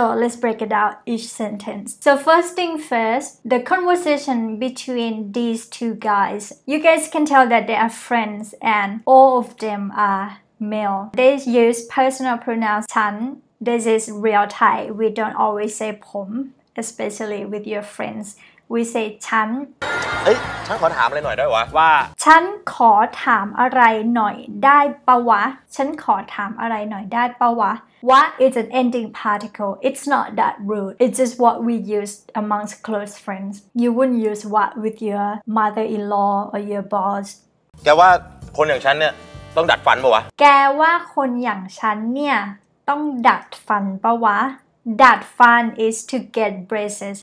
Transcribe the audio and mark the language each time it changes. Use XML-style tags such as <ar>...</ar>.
<en>So let's break it out each sentence. So first thing first, the conversation between these two guys. You guys can tell that they are friends and all of them are male. They use personal pronouns chan. This is real Thai. We don't always say pom, especially with your friends. We say chan.</en> <th>เอ้ยฉันขอถามอะไรหน่อยได้วะ ว่า ฉันขอถามอะไรหน่อยได้ปะวะฉันขอถามอะไรหน่อยได้ปะวะ</th> <en>What is an ending particle? It's not that rude. It's just what we use amongst close friends. You wouldn't use what with your mother-in-law or your boss.</en> <th>แกว่าคนอย่างฉันเนี่ยต้องดัดฟันปะวะ แกว่าคนอย่างฉันเนี่ยต้องดัดฟันปะวะ</th> <en>That fun is to get braces.</en>